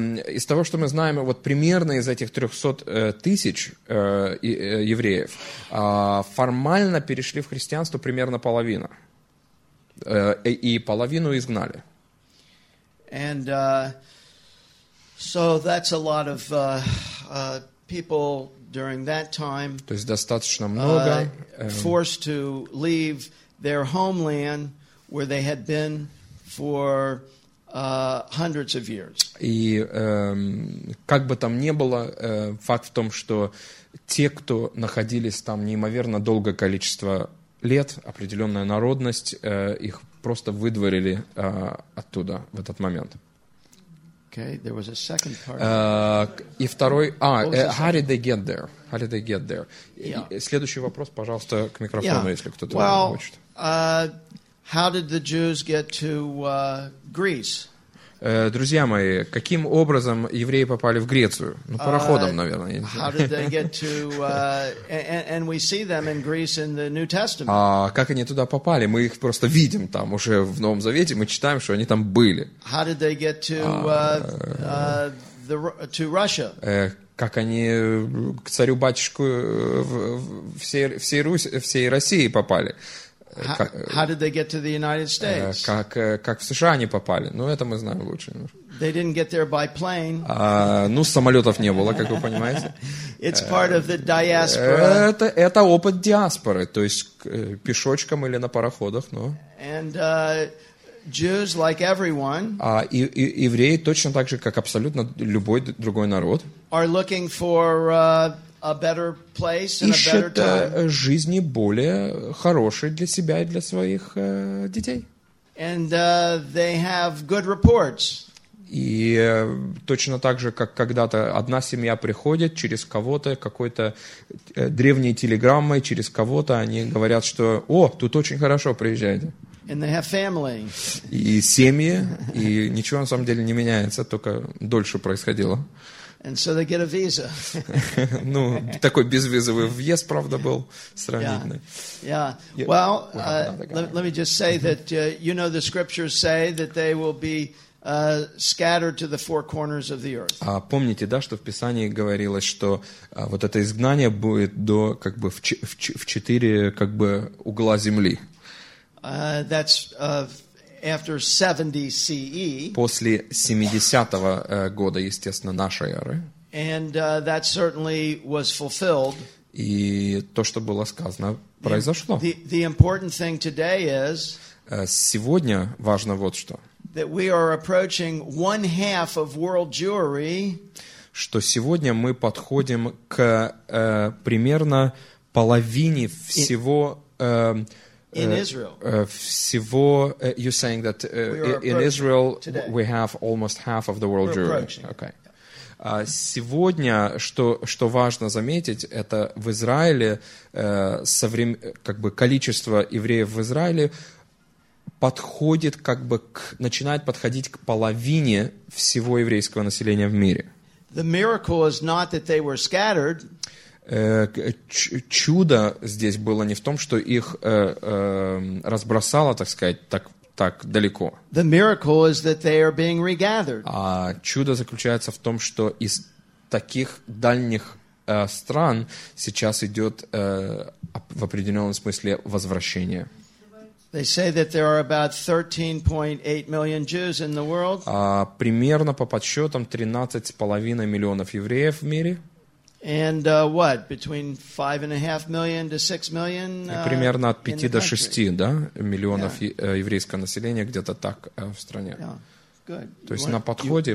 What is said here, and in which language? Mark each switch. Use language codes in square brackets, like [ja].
[ru] Из того, что мы знаем, вот примерно из этих 300,000 евреев формально перешли в христианство примерно половина, и половину изгнали. [en] And so that's a lot of people during that time. [ru] То есть достаточно много [en] forced to leave their homeland where they had been for hundreds of years. [ru] И как бы там ни было, факт в том, что те, кто находились там неимоверно долгое количество лет, определенная народность, их просто выдворили оттуда в этот момент. [en] Okay, there was a second part. [ru] И второй, [en] how did they get there? How did they get there? Yeah. [ru] Следующий вопрос, пожалуйста, к микрофону, [en] yeah, [ru] если кто-то вам хочет. [en] How did the Jews get to Greece? [ru] Друзья мои, каким образом евреи попали в Грецию? Ну, пароходом, наверное. [en] How did they get to and we see them in Greece in the New Testament. [ru] Как они туда попали? Мы их просто видим там уже в Новом Завете, мы читаем, что они там были. [en] How did they get to to Russia? [ru] Как они к царю-батюшку в всей России попали? [en] How did they get to the United States? [ru] Как в США они попали? Ну, это мы знаем лучше. [en] They didn't get there by plane. [ru] Ну, самолетов не было, как вы понимаете. [en] It's part of the diaspora. [ru] Это опыт диаспоры, то есть пешочком или на пароходах, но... [en] And, Jews, like everyone, [ru] евреи точно так же, как абсолютно любой другой народ, [en] are looking for a better place and a better time. [ru] Ищут жизни более хорошей для себя и для своих детей. [en] And they have good reports. [ru] И точно так же, как когда-то одна семья приходит через кого-то, какой-то древней телеграммой через кого-то, они говорят, что «О, тут очень хорошо, приезжайте». [en] And they have family. [ru] И семьи, и ничего на самом деле не меняется, только дольше происходило. [en] And so they get a visa. [ru] Ну, такой безвизовый въезд, правда, был сравнительный. [en] Yeah. Yeah. Well, let me just say that you know the scriptures say that they will be scattered to the four corners of the earth. [ru] А помните, да, что в Писании говорилось, что вот это изгнание будет до как бы в четыре как бы угла земли. [en] That's after 70 CE. [ru] После 70-го года, естественно, нашей эры. [en] And that certainly was fulfilled. [ru] И то, что было сказано, произошло. [en] The important thing today is. [ru] Сегодня важно вот что. [en] That we are approaching one half of world Jewry. [ru] Что сегодня мы подходим к примерно половине всего. [en] In Israel. [ru] Всего, [en] you're saying that in Israel today. We have almost half of the world We're Jewry. Approaching. Okay. [ru] Сегодня, что важно заметить, это в Израиле как бы количество евреев в Израиле подходит как бы начинает подходить к половине всего еврейского населения в мире. [en] The miracle is not that they were scattered. [ru] Чудо здесь было не в том, что их разбросало, так сказать, так далеко. [en] The miracle is that they are being regathered. [ru] А чудо заключается в том, что из таких дальних стран сейчас идет в определенном смысле возвращение. [en] They say that there are about 13.8 million Jews in the world. [ru] Примерно по подсчетам 13,5 миллионов евреев в мире. [en] And what? Between 5.5 million to 6 million. [ru] Примерно от 5 до 6, да, миллионов еврейского населения где-то так в стране. [en] Yeah. Good. [ru] То есть на подходе.